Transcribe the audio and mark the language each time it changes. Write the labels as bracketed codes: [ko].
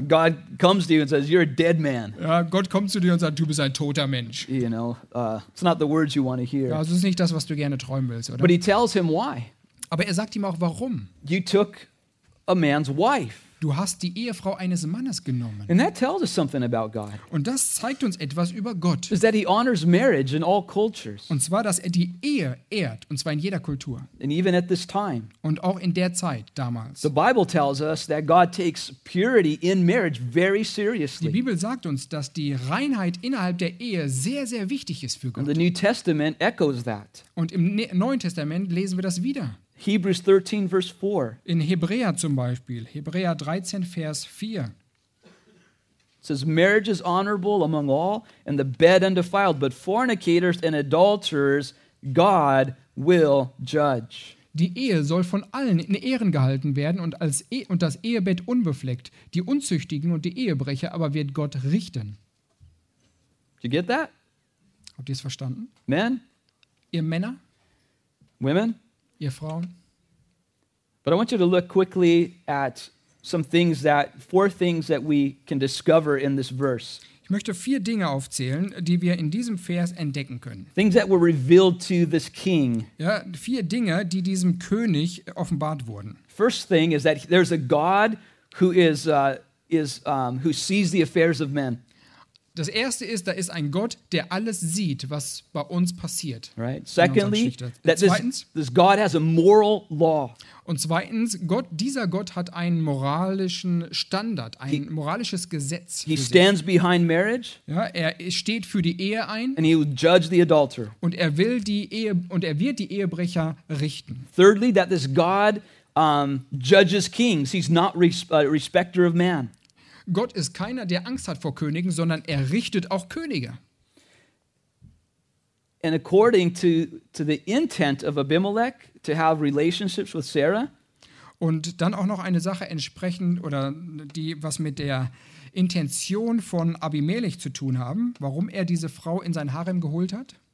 [en] God comes to you and says, you're a dead man. [de] Ja, Gott kommt zu dir und sagt, du bist ein toter Mensch. [en] You know, it's not the words you want to hear. [de] Ja, das ist nicht das, was du gerne träumen willst, oder? [en] But he tells him why. [de] Aber er sagt ihm auch, warum. [en] You took a man's wife. [de] Du hast die Ehefrau eines Mannes genommen. [en] And that tells us something about God. [de] Und das zeigt uns etwas über Gott. [en] Is that he honors marriage in all cultures. [de] Und zwar, dass er die Ehe ehrt, und zwar in jeder Kultur. [en] And even at this time. [de] Und auch in der Zeit damals. [en] The Bible tells us that God takes purity in marriage very seriously. [de] Die Bibel sagt uns, dass die Reinheit innerhalb der Ehe sehr, sehr wichtig ist für Gott. [en] And the New Testament echoes that. [de] Und im Neuen Testament lesen wir das wieder. [en] Hebrews 13, verse 4. [de] In Hebräer zum Beispiel, Hebräer 13, Vers 4. [en] It says, marriage is honorable among all, and the bed undefiled, but fornicators and adulterers God will judge. [de] Die Ehe soll von allen in Ehren gehalten werden und, als und das Ehebett unbefleckt, die Unzüchtigen und die Ehebrecher aber wird Gott richten. [en] Do you get that? [de] Habt ihr es verstanden? [en] Men? [de] Ihr Männer? [en] Women? [de] Ihr Frauen. [en] But I want you to look quickly at some things that four things that we can discover in this verse. [de] Ich möchte vier Dinge aufzählen, die wir in diesem Vers entdecken können. [en] Things that were revealed to this king. [de] Ja, vier Dinge, die diesem König offenbart wurden. [en] First thing is that there's a God who who sees the affairs of men. [de] Das erste ist, da ist ein Gott, der alles sieht, was bei uns passiert. [en] Right. Secondly, that this God has a moral law. [de] Und zweitens, dieser Gott hat einen moralischen Standard, ein moralisches Gesetz. [en] He stands behind marriage. [de] Ja, er steht für die Ehe ein. [en] And he will judge the adulterer. [de] Und er wird die Ehebrecher richten. [en] Thirdly, that this God judges kings. He's not a respecter of man. [de] Gott ist keiner, der Angst hat vor Königen, sondern er richtet auch Könige. [en] And according to the intent of Abimelech to have relationships with Sarah. [de] Und dann auch noch eine Sache entsprechend oder die was mit der Intention von Abimelech zu tun haben, warum er diese Frau in sein Harem geholt hat.